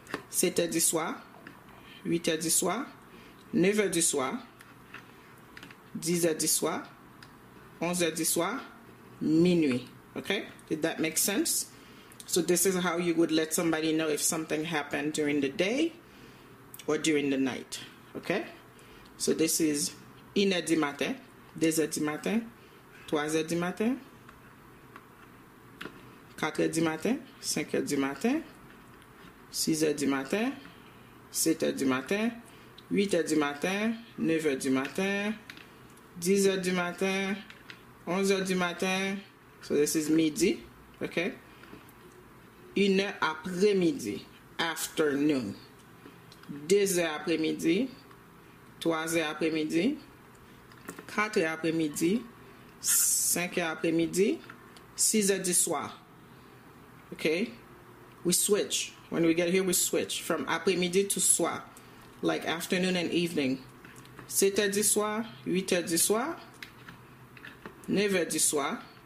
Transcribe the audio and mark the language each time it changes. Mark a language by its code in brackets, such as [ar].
[fr] 7 heures du soir. 8 heures du soir. 9 heures du soir. 10 heures du soir. 11 heures du soir. Minuit. [en] Okay? Did that make sense? So this is how you would let somebody know if something happened during the day or during the night. Okay? So this is [fr] 1 heure du matin, 2 heures du matin, 3 heures du matin, 4 heures du matin, 5 heures du matin, 6 heures du matin, 7 heures du matin, 8 heures du matin, 9 heures du matin, 10 heures du matin, 11 heures du matin. [en] So this is midi, okay? [fr] 1 heure après-midi, [en] afternoon. [fr] 2 heures après-midi, 3 heures après-midi, 4 heures après-midi, 5 heures après-midi, 6 heures du soir. [en] Okay? We switch. When we get here, we switch from après-midi to soir, like afternoon and evening. [fr] 7 heures du soir, 8 heures du soir, 9 heures du soir.